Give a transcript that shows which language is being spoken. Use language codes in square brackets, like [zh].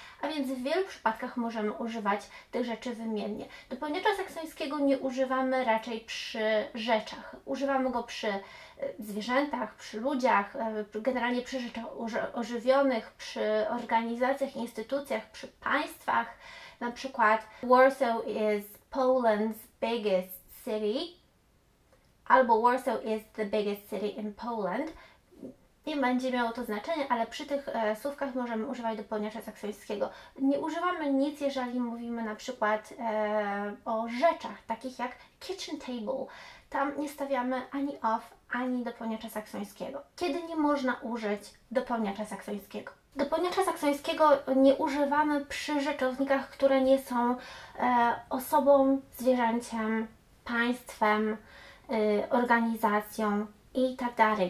[pl] A więc w wielu przypadkach możemy używać tych rzeczy wymiennie. Dopełniacza saksońskiego nie używamy raczej przy rzeczach. Używamy go przy zwierzętach, przy ludziach, generalnie przy rzeczach ożywionych, przy organizacjach, instytucjach, przy państwach. Na przykład [en] Warsaw is Poland's biggest city, [pl] albo [en] Warsaw is the biggest city in Poland. [pl] Nie będzie miało to znaczenie, ale przy tych słówkach możemy używać dopełniacza saksońskiego. Nie używamy nic, jeżeli mówimy na przykład o rzeczach, takich jak kitchen table. Tam nie stawiamy ani of, ani dopełniacza saksońskiego. Kiedy nie można użyć dopełniacza saksońskiego? Dopełniacza saksońskiego nie używamy przy rzeczownikach, które nie są osobą, zwierzęciem, państwem, organizacją i tak dalej.